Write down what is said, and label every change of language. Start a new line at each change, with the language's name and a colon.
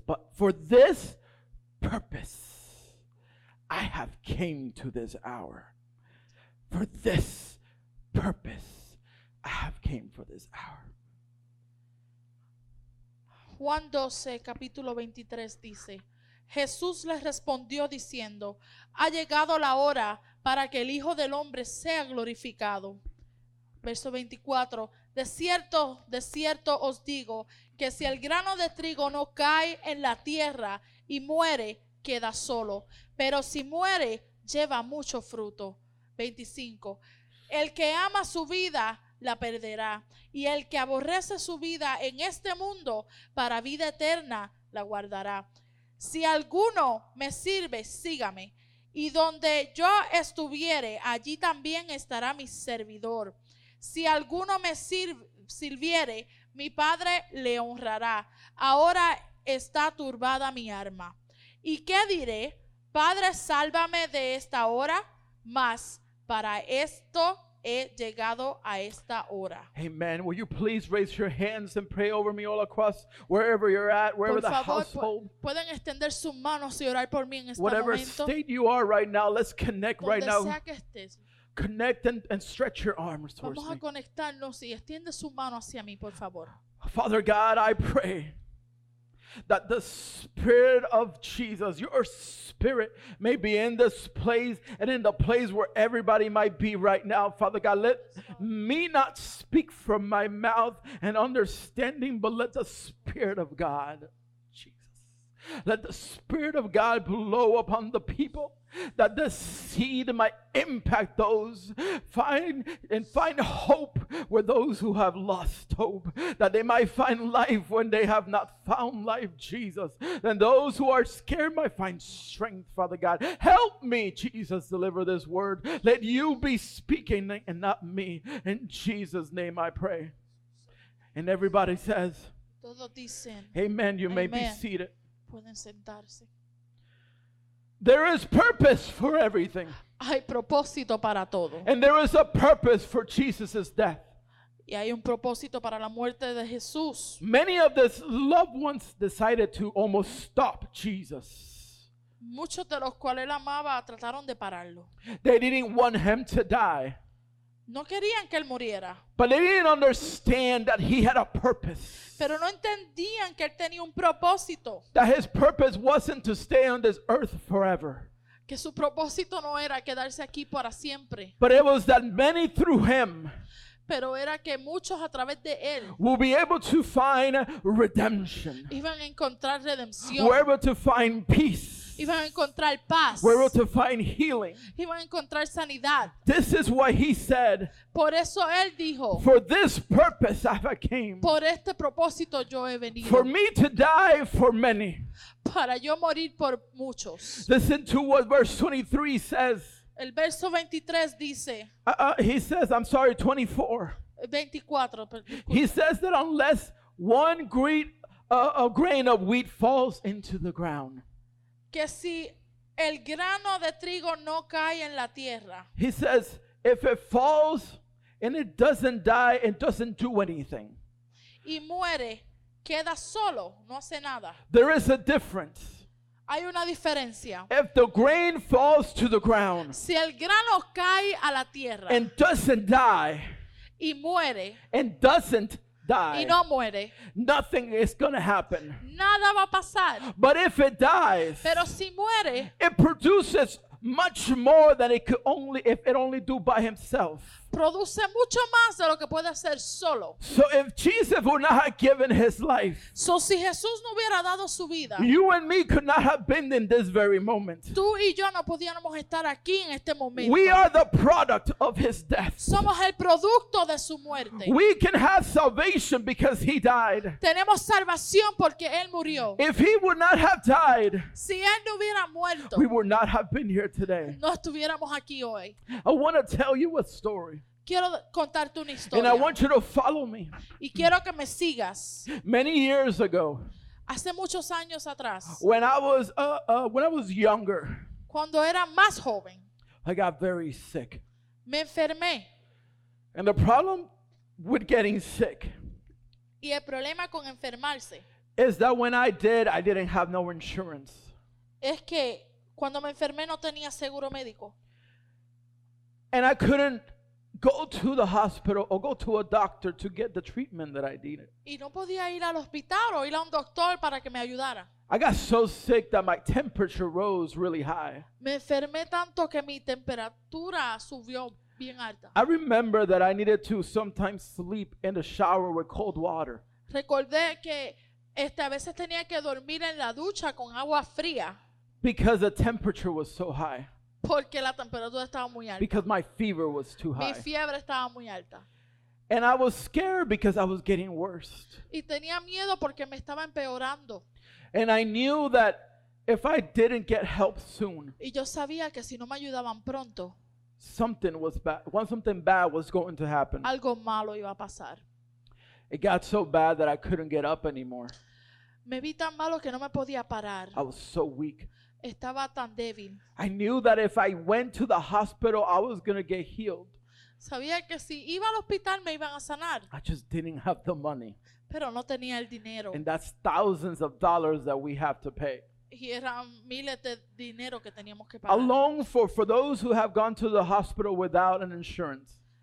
English: But for this purpose, I have came to this hour. For this purpose, I have came for this hour.
Spanish: Juan 12, capítulo 23 dice, Jesús les respondió diciendo, ha llegado la hora para que el Hijo del Hombre sea glorificado. Verso 24, de cierto os digo, que si el grano de trigo no cae en la tierra y muere, queda solo. Pero si muere, lleva mucho fruto. 25, el que ama su vida la perderá, y el que aborrece su vida en este mundo para vida eterna la guardará. Si alguno me sirve, sígame. Y donde yo estuviere, allí también estará mi servidor. Si alguno me sirviere, mi Padre le honrará. Ahora está turbada mi alma. ¿Y qué diré? Padre, sálvame de esta hora, mas para esto he llegado a esta hora.
English: Amen. Will you please raise your hands and pray over me all across wherever you're at, wherever
Spanish: por favor,
English: the household.
Spanish: Pueden extender sus manos y orar por mí en este
English: whatever
Spanish: momento.
English: Whatever state you are right now, let's connect
Spanish: donde
English: right
Spanish: sea
English: now.
Spanish: Que estés.
English: Connect and stretch your arms towards
Spanish: vamos a conectarnos y extiende su mano hacia mí, por favor.
English: Father God, I pray that the Spirit of Jesus, your Spirit, may be in this place and in the place where everybody might be right now. Father God, let me not speak from my mouth and understanding, but let the Spirit of God, Jesus, let the Spirit of God blow upon the people, that this seed might impact those, find hope where those who have lost hope, that they might find life when they have not found life, Jesus. And those who are scared might find strength, Father God. Help me, Jesus, deliver this word. Let you be speaking and not me. In Jesus' name I pray. And everybody says, amen. You may amen. Be seated.
Spanish: Pueden sentarse.
English: There is purpose for everything.
Spanish: Hay propósito para todo.
English: And there is a purpose for Jesus' death.
Spanish: Y hay un propósito para la muerte de Jesús.
English: Many of his loved ones decided to almost stop Jesus.
Spanish: Muchos de los cuales él amaba trataron de pararlo.
English: They didn't want him to die.
Spanish: No querían que él muriera.
English: But they didn't understand that he had a purpose.
Spanish: Pero no entendían que él tenía un propósito.
English: That his purpose wasn't to stay on this earth forever.
Spanish: Que su propósito no era quedarse aquí para siempre.
English: But it was that many through him.
Spanish: Pero era que muchos a través de él.
English: Will be able to find redemption.
Spanish: Iban a encontrar redención.
English: Were able to find peace.
Spanish: Iban a encontrar paz.
English: We're able to find healing.
Spanish: Iban a encontrar sanidad.
English: This is what he said.
Spanish: Por eso él dijo,
English: for this purpose I came.
Spanish: Por este propósito yo he venido.
English: For me to die for many.
Spanish: Para yo morir por muchos.
English: Listen to what verse 23 says.
Spanish: El verso 23 dice,
English: 24.
Spanish: 24,
English: he says that unless one grain of wheat falls into the ground.
Spanish: Que si el grano de trigo no cae en la tierra.
English: He says, if it falls And it doesn't die and doesn't do anything.
Spanish: Y muere, queda solo, no hace nada.
English: There is a difference.
Spanish: Hay una diferencia.
English: If the grain falls to the ground,
Spanish: si el grano cae a la tierra,
English: and doesn't die,
Spanish: y muere,
English: and doesn't die,
Spanish: y no muere,
English: nothing is going to happen.
Spanish: Nada va a pasar.
English: But if it dies,
Spanish: pero si muere,
English: it produces much more than it could only if it only do by himself.
Spanish: Produce mucho más de lo que puede hacer solo.
English: So if Jesus would not have given his life,
Spanish: so si Jesús no hubiera dado su vida,
English: you and me could not have been in this very moment.
Spanish: Tú y yo no podíamos estar aquí en este momento.
English: We are the product of his death.
Spanish: Somos el producto de su muerte.
English: We can have salvation because he died.
Spanish: Tenemos salvación porque él murió.
English: If he would not have died,
Spanish: si él no hubiera muerto,
English: we would not have been here today.
Spanish: No estuviéramos aquí hoy.
English: I want to tell you a story.
Spanish: Quiero contarte una historia.
English: And I want you to follow me.
Spanish: Y quiero que me sigas.
English: Many years ago,
Spanish: hace muchos años atrás,
English: when I was younger,
Spanish: cuando era más joven,
English: I got very sick.
Spanish: Me enfermé.
English: And the problem with getting sick,
Spanish: y el problema con enfermarse,
English: is that when I didn't have no insurance.
Spanish: Es que cuando me enfermé no tenía seguro médico.
English: And I couldn't go to the hospital or go to a doctor to get the treatment that I needed.
Spanish: Y no podía ir al hospital o ir a un doctor para que me ayudara.
English: I got so sick that my temperature rose really high.
Spanish: Me enfermé tanto que mi temperatura subió bien alta.
English: I remember that I needed to sometimes sleep in the shower with cold water.
Spanish: Recordé que a veces tenía que dormir en la ducha con agua fría.
English: Because the temperature was so high.
Spanish: Porque la temperatura estaba muy alta.
English: Because my fever was too high.
Spanish: Mi fiebre estaba muy alta.
English: And I was scared because I was getting worse.
Spanish: Y tenía miedo porque me estaba empeorando.
English: And I knew that if I didn't get help soon,
Spanish: y yo sabía que si no me ayudaban pronto,
English: something bad was going to happen.
Spanish: Algo malo iba a pasar.
English: It got so bad that I couldn't get up anymore.
Spanish: Me vi tan malo que no me podía parar.
English: I was so weak.
Spanish: Estaba tan débil.
English: I knew that if I went to the hospital, I was going to get healed.
Spanish: Sabía que si iba al hospital, me iban a sanar.
English: I just didn't have the money.
Spanish: Pero no tenía el dinero.
English: And that's thousands of dollars that we have to pay.
Spanish: Y eran miles de dinero que teníamos que pagar.
English: Alone for those who have gone to the hospital without an insurance.